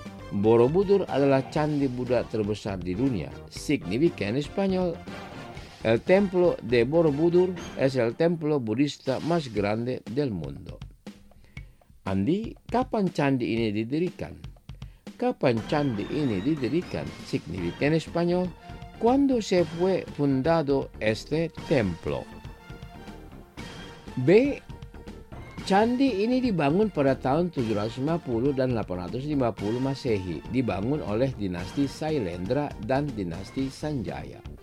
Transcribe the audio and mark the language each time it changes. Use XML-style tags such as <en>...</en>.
<id>Borobudur adalah candi Buddha terbesar di dunia.</id> <es>Significa en español. El templo de Borobudur es el templo budista más grande del mundo.</es> <id>Andi, kapan candi ini didirikan? Kapan candi ini didirikan?</id> <es>Significa en español. ¿Cuándo se fue fundado este templo? B.</es> <id>Candi ini dibangun pada tahun 750 dan 850 Masehi, dibangun oleh dinasti Sailendra dan dinasti Sanjaya.</id>